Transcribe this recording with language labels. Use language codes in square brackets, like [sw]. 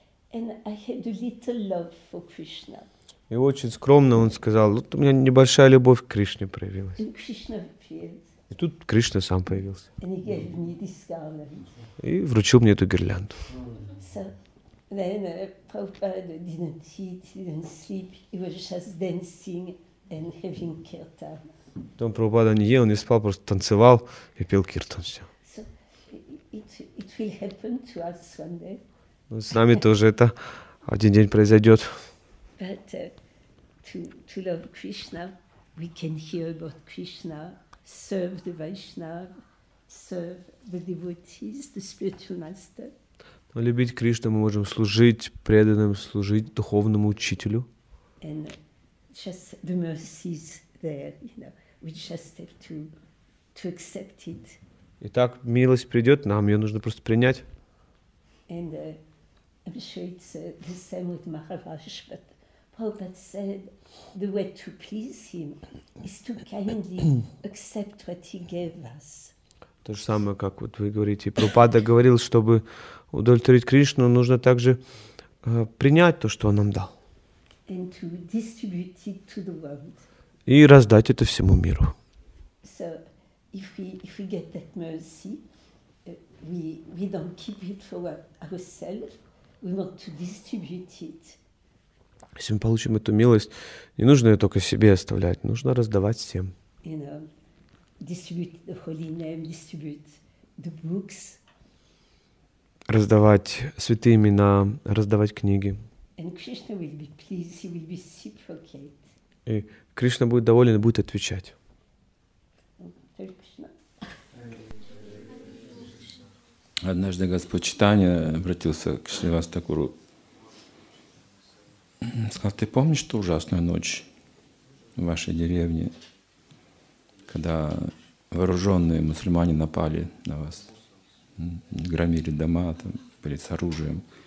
[en] And I had a little love for Krishna. [ru] И очень скромно он сказал, вот у меня небольшая любовь к Кришне проявилась. [en] And Krishna appeared. [ru] И тут Кришна сам появился. [en] And he gave me this garland. [ru] И вручил мне эту гирлянду. [en] So then Prabhupada didn't eat, didn't sleep. He was just dancing and having kirtan. [ru] Потом Прабхупада не ел, не спал, просто танцевал и пел киртан все. [en] So it will happen to us one day. [ru] С нами тоже это один день произойдет. [en] But to love Krishna, we can hear about Krishna, serve the Vaishnav, serve the devotees, the spiritual master. [ru] Но любить Кришну мы можем служить преданным, служить духовному учителю. [en] And just the mercy is there, you know. We just have to accept it. [ru] Итак, милость придет, нам ее нужно просто принять. [en] And I'm sure it's the same with Maharaj, but Prabhupada said, the way to please him is to kindly accept what he gave us. [ru] То же самое, как вот вы говорите, Прабхупада говорил, чтобы удовлетворить Кришну, нужно также принять то, что он нам дал. [en] And to distribute it to the world. [ru] И раздать это всему миру. [en] So, if we get that mercy, we don't keep it for ourselves, we want to distribute it. [ru] Если мы получим эту милость, не нужно ее только себе оставлять, нужно раздавать всем. [en] You know, distribute the holy name, distribute the books. [ru] Раздавать святые имена, раздавать книги. [en] And Krishna will be pleased, he will be reciprocate. [ru] И Кришна будет доволен и будет отвечать. Однажды Господь Чайтанья обратился к Шривас Такуру. Сказал, ты помнишь ту ужасную ночь в вашей деревне, когда вооруженные мусульмане напали на вас, громили дома, там были с оружием.